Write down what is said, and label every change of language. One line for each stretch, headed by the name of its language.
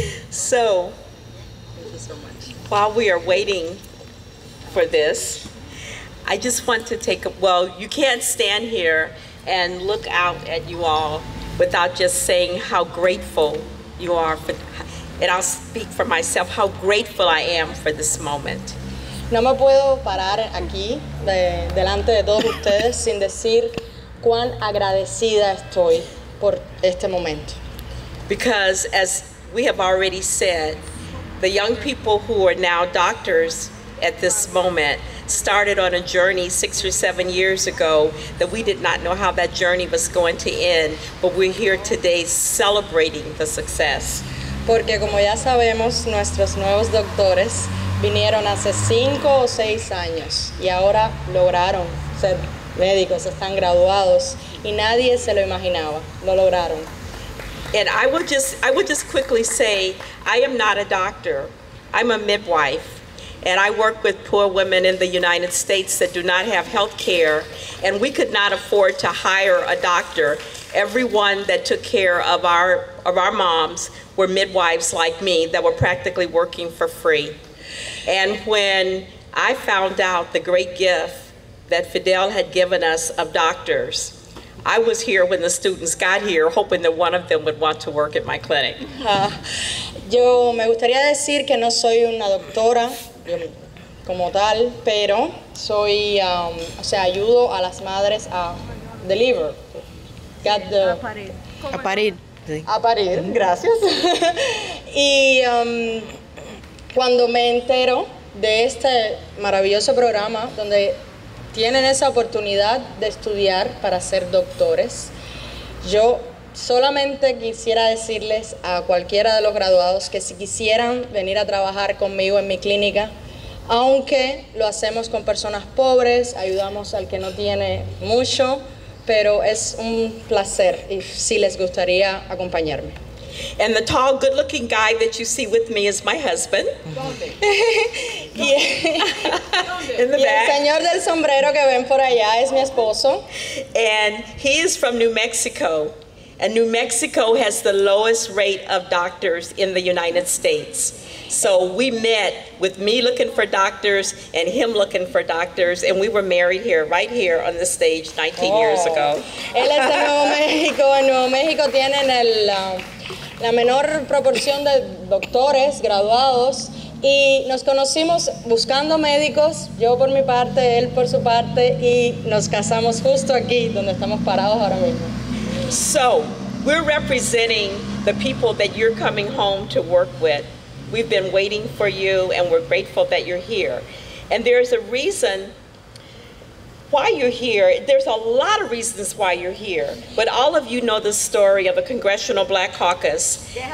English: So while we are waiting for this, I just want to take a, well, you can't stand here and look out at you all without just saying how grateful you are for, and I'll speak for myself, how grateful I am for this moment.
Spanish: No me puedo parar aquí delante de todos ustedes sin decir cuán agradecida estoy por este momento.
English: Because as we have already said, the young people who are now doctors at this moment started on a journey 6 or 7 years ago that we did not know how that journey was going to end, but we're here today celebrating the success.
Spanish: Porque como ya sabemos, nuestros nuevos doctores vinieron hace 5 o 6 años y ahora lograron ser médicos, están graduados y nadie se lo imaginaba, lo lograron.
English: And I would just quickly say, I am not a doctor, I'm a midwife. And I work with poor women in the United States that do not have health care, and we could not afford to hire a doctor. Everyone that took care of our moms were midwives like me that were practically working for free. And when I found out the great gift that Fidel had given us of doctors, I was here when the students got here, hoping that one of them would want to work at my clinic.
Spanish: Yo me gustaría decir que no soy una doctora como tal, pero soy, o sea, ayudo a las madres a deliver. A parir, gracias. Y cuando me entero de este maravilloso programa donde tienen esa oportunidad de estudiar para ser doctores, yo solamente quisiera decirles a cualquiera de los graduados que si quisieran venir a trabajar conmigo en mi clínica, aunque lo hacemos con personas pobres, ayudamos al que no tiene mucho, pero es un placer si les gustaría acompañarme.
English: And the tall, good-looking guy that you see with me is my husband. In the back.
Spanish: El señor del sombrero que ven por allá es mi esposo.
English: And he is from New Mexico. And New Mexico has the lowest rate of doctors in the United States. So we met with me looking for doctors and him looking for doctors, and we were married here, right here on the stage 19 years ago.
Spanish: Él es de Nuevo México. En Nuevo México tienen la menor proporción de doctores graduados, y nos conocimos buscando médicos, yo por mi parte, él por su parte, y nos casamos justo aquí donde estamos parados ahora mismo.
English: So we're representing the people that you're coming home to work with. We've been waiting for you, and we're grateful that you're here. And there's a reason why you're here. There's a lot of reasons why you're here. But all of you know the story of a Congressional Black Caucus.